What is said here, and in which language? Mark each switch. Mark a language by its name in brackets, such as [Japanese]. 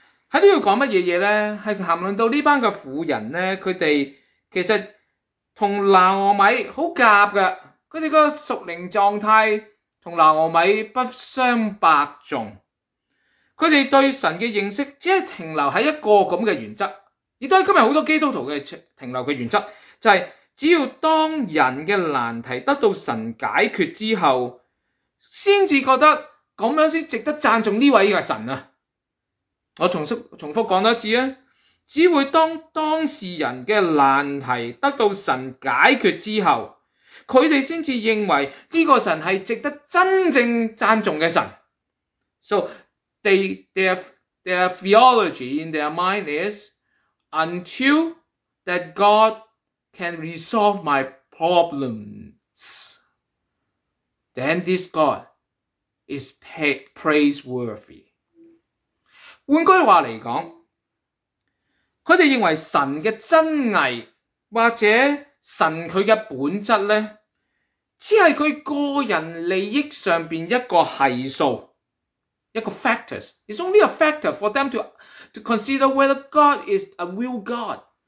[Chinese] 在这里讲什么呢？是谈论到这班的妇人呢，他们其实跟拿俄米很夹的，他们的属灵状态跟拿俄米不相伯仲，他们对神的认识只是停留在一个这样的原则，也都是今天很多基督徒的停留的原则，就是只要当人的难题得到神解决之后，才觉得这样才值得赞颂这位的神啊。我重复讲多一次，只会当当事人的难题得到神解决之后，他们才认为这个神是值得真正赞颂的神。 [English] So their theology in their mind is until that God can resolve my problems, then this God is praiseworthy。 [Chinese] 换句话来讲，他们认为神的真伪或者神他的本质呢，只是他个人利益上面一个系数，一个 factors。 [English] It's only a factor for them to consider whether God is a real God.